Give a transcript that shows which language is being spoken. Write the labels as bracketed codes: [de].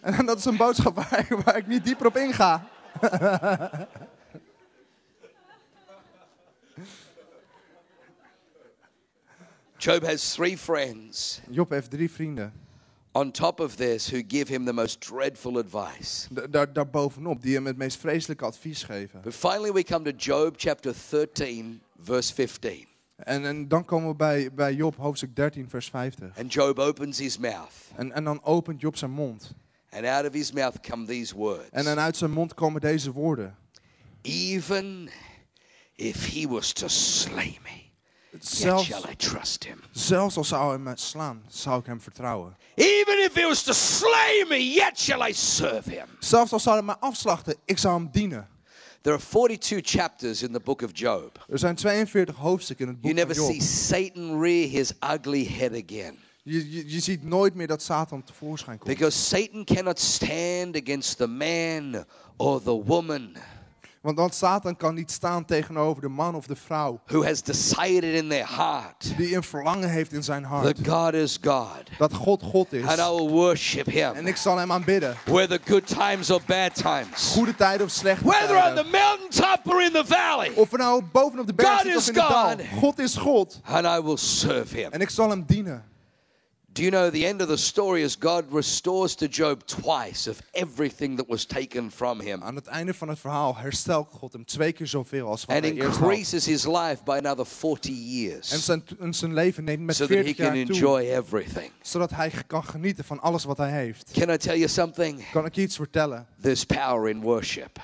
[nl] En dat is een boodschap waar ik niet dieper op inga. [en] Job has three friends. [nl] Job heeft drie vrienden. [en] On top of this, who give him the most dreadful advice. [nl] Daar bovenop, die hem het meest vreselijke advies geven. [en] But finally we come to Job chapter 13, verse 15. [nl] En dan komen we bij Job, hoofdstuk 13, vers 50. [en] And Job opens his mouth. [nl] En dan opent Job zijn mond. [en] And out of his mouth come these words. [nl] En dan uit zijn mond komen deze woorden. [en] Even if he was to slay me, yet shall I trust him. [nl] Zelfs als zou hij me slaan, zou ik hem vertrouwen. [en] Even if he was to slay me, yet shall I serve him. [nl] Zelfs als zou hij me afslachten, ik zou hem dienen. [en] There are 42 chapters in the book of Job. [nl] Er zijn 42 hoofdstukken in het boek van Job. [en] You never see Satan rear his ugly head again. [nl] Je ziet nooit meer dat Satan tevoorschijn komt. [en] Because Satan cannot stand against the man or the woman. [nl] Want Satan kan niet staan tegenover de man of de vrouw. [en] Who has decided in their heart. [nl] Die een verlangen heeft in zijn hart. [en] That God is God. [nl] Dat God God is. [en] And I will worship him. [nl] En ik zal hem aanbidden. [en] Whether good times or bad times. [nl] Goede tijden of slechte [en] whether [nl] tijden. [en] Whether on the mountaintop or in the valley. [nl] Of nou bovenop de berg [en] God [nl] zit of in [en] God. [nl] De dal. God is God. [en] And I will serve him. [nl] En ik zal hem dienen. [en] Do you know the end of the story is God restores to Job twice of everything that was taken from him. [nl] Aan het einde van het verhaal herstelt God hem twee keer zoveel als wat [en] and [nl] hij eerst had. [en] Increases his life by another 40 years. [nl] En zijn leven neemt met [en] so [nl] 40 [en] that he [nl] jaar [en] can [nl] toe. [en] Enjoy everything. [nl] Zodat hij kan genieten van alles wat hij heeft. [en] Can I tell you something? [nl] Kan ik je iets vertellen? [en] There's power in worship.